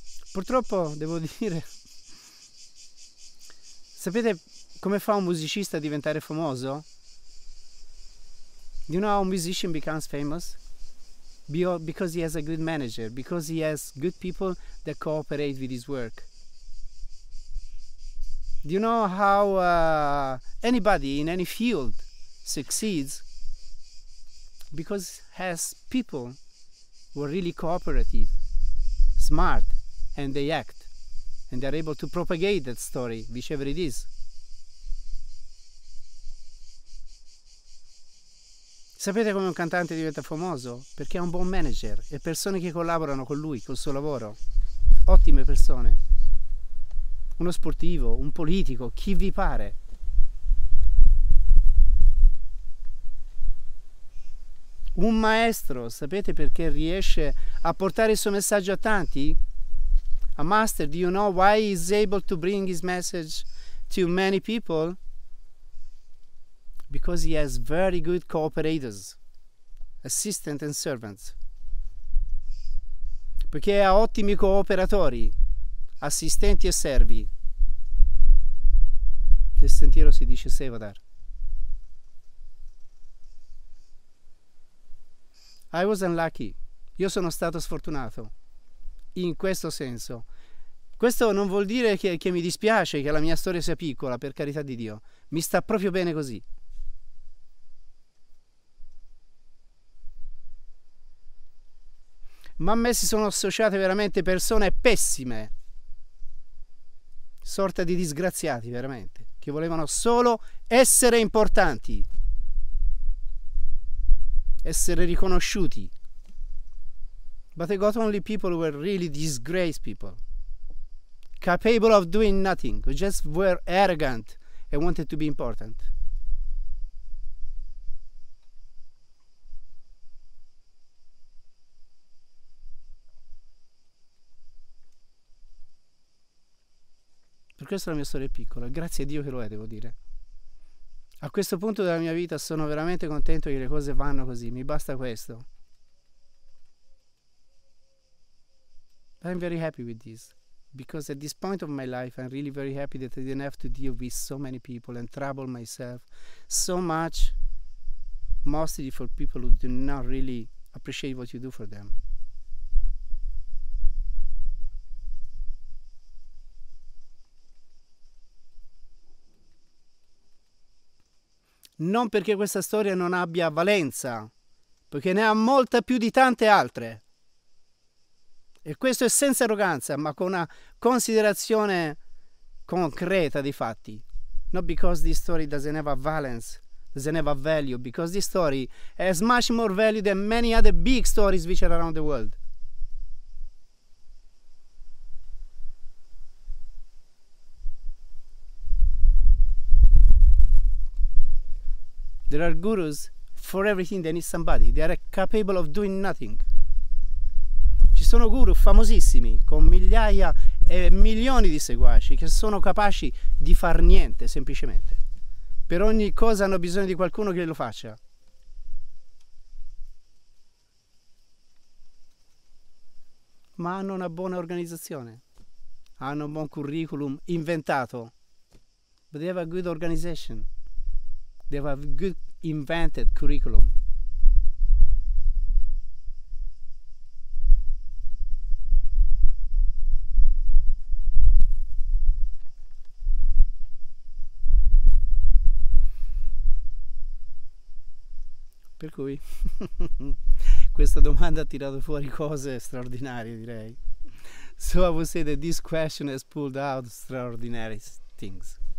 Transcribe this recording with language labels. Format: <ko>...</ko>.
<it>Purtroppo devo dire, sapete come fa un musicista a diventare famoso?</it> <en>You know how a musician becomes famous? Because he has a good manager, because he has good people that cooperate with his work. Do you know how anybody in any field succeeds? Because has people who are really cooperative, smart, and they act, and they are able to propagate that story, whichever it is.</en> <it>Sapete come un cantante diventa famoso? Perché ha un buon manager e persone che collaborano con lui, col suo lavoro. Ottime persone. Uno sportivo, un politico, chi vi pare. Un maestro, sapete perché riesce a portare il suo messaggio a tanti?</it> <en>A master, do you know why he is able to bring his message to many people? Because he has very good cooperators, assistants and servants.</en> <it>Perché ha ottimi cooperatori, assistenti e servi. Del sentiero si dice Sevadar.</it> <en>I was unlucky.</en> <it>Io sono stato sfortunato. In questo senso. Questo non vuol dire che mi dispiace che la mia storia sia piccola, per carità di Dio. Mi sta proprio bene così. Ma a me si sono associate veramente persone pessime, sorta di disgraziati veramente, che volevano solo essere importanti, essere riconosciuti.</it> <en>But the Gothenly people were really disgraced people, capable of doing nothing, who just were arrogant and wanted to be important.</en> <it>Per questo la mia storia è piccola, grazie a Dio che lo è, devo dire. A questo punto della mia vita sono veramente contento che le cose vanno così, mi basta questo.</it> <en>I'm very happy with this, because at this point of my life I'm really very happy that I didn't have to deal with so many people and trouble myself so much, mostly for people who do not really appreciate what you do for them.</en> <it>Non perché questa storia non abbia valenza, perché ne ha molta più di tante altre. E questo è senza arroganza, ma con una considerazione concreta dei fatti.</it> <en>Not because this story doesn't have a valence, doesn't have a value, because this story has much more value than many other big stories which are around the world. There are gurus for everything, they need somebody. They are capable of doing nothing.</en> <it>Ci sono guru famosissimi, con migliaia e milioni di seguaci, che sono capaci di far niente, semplicemente. Per ogni cosa hanno bisogno di qualcuno che lo faccia. Ma hanno una buona organizzazione. Hanno un buon curriculum inventato.</it> <en>But they have a good organization. They have a good invented curriculum.</en> <it>Per cui questa domanda ha tirato fuori cose straordinarie, direi.</it> <en>So I would say that this question has pulled out extraordinary things.</en>